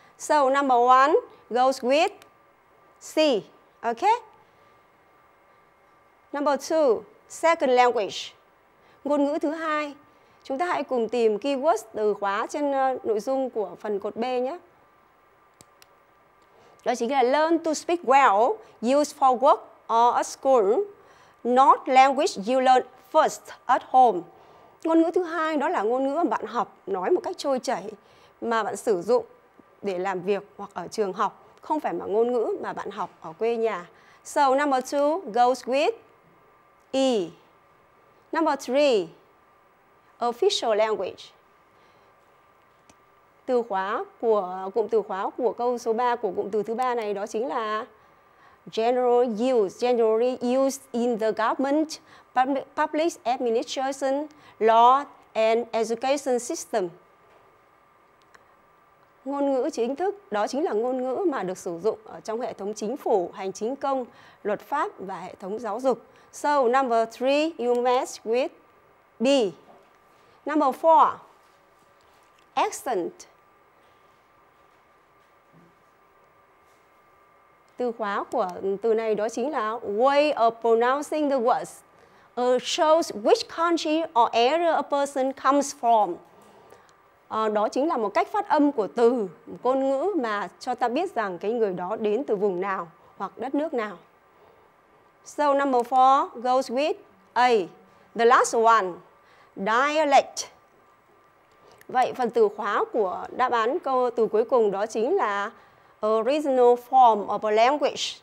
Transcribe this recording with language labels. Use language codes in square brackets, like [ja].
[en] So number one goes with C, okay? Number two, second language. [vi] Ngôn ngữ thứ hai, chúng ta hãy cùng tìm keywords từ khóa trên nội dung của phần cột B nhé. Đó chính là [en] learn to speak well, use for work or at school, not language you learn first at home. [vi] Ngôn ngữ thứ hai đó là ngôn ngữ mà bạn học nói một cách trôi chảy mà bạn sử dụng để làm việc hoặc ở trường học, không phải mà ngôn ngữ mà bạn học ở quê nhà. [en] So number two goes with E. Number three, official language. [vi] Từ khóa của cụm từ khóa của câu số 3 của cụm từ thứ 3 này đó chính là [en] general use, generally used in the government, public administration, law and education system. [vi] Ngôn ngữ chính thức đó chính là ngôn ngữ mà được sử dụng ở trong hệ thống chính phủ, hành chính công, luật pháp và hệ thống giáo dục. [en] So number three, you match with B. Number four, accent. [vi] Từ khóa của từ này đó chính là [en] way of pronouncing the words. Shows which country or area a person comes from. [vi] Đó chính là một cách phát âm của từ, một ngôn ngữ mà cho ta biết rằng cái người đó đến từ vùng nào hoặc đất nước nào. [en] So number four goes with A. The last one, dialect. [vi] Vậy phần từ khóa của đáp án câu từ cuối cùng đó chính là [en] original form of a language.